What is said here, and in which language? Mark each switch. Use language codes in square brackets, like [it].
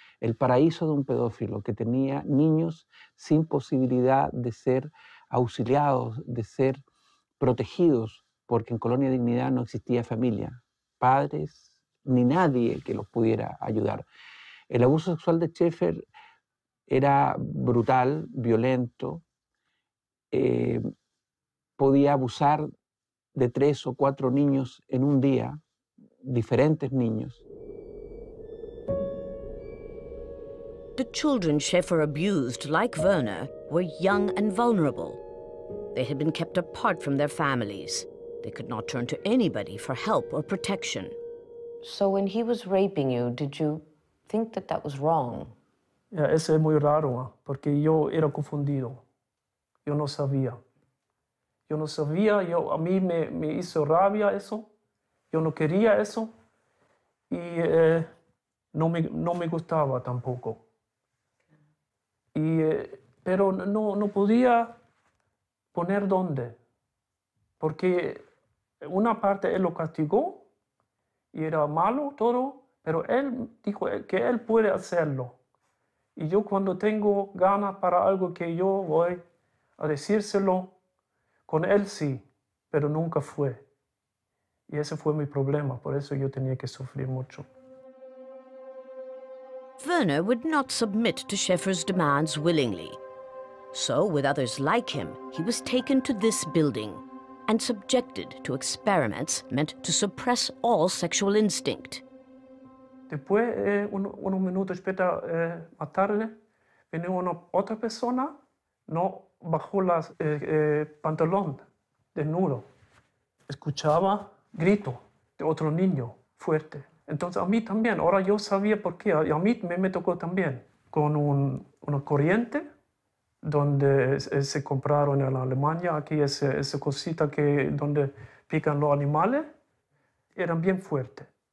[es] El paraíso de un pedófilo que tenía niños sin posibilidad de ser auxiliados, de ser protegidos, porque en Colonia Dignidad no existía familia, padres, ni nadie que los pudiera ayudar. El abuso sexual de Schaefer era brutal, violento. Podía abusar de 3 o 4 niños en un día, diferentes niños. [en] The children Schaefer abused, like Werner, were young and vulnerable. They had been kept apart from their families. They could not turn to anybody for help or protection. So when he was raping you, did you think that that was wrong? [es] Yeah, eso es muy raro, porque yo era confundido. Yo no sabía. Yo no sabía, yo, a mí me hizo rabia eso. Yo no quería eso. Y no me gustaba tampoco. Y, pero no podía poner dónde. Porque una parte él lo castigó, y era malo todo, pero él dijo que él puede hacerlo. Y yo cuando tengo ganas para algo que yo voy a decírselo, con él sí, pero nunca fue. Y ese fue mi problema, por eso yo tenía que sufrir mucho. [en] Werner would not submit to Schaefer's demands willingly. So, with others like him, he was taken to this building and subjected to experiments meant to suppress all sexual instinct. [es] Después, unos minutos más tarde, vino una otra persona, no bajó las pantalón desnudo. Escuchaba grito de otro niño fuerte. Entonces a mí también, ahora yo sabía por qué, a mí me tocó también con una corriente donde se compraron en Alemania, aquí esa cosita que donde pican los animales, eran bien fuertes.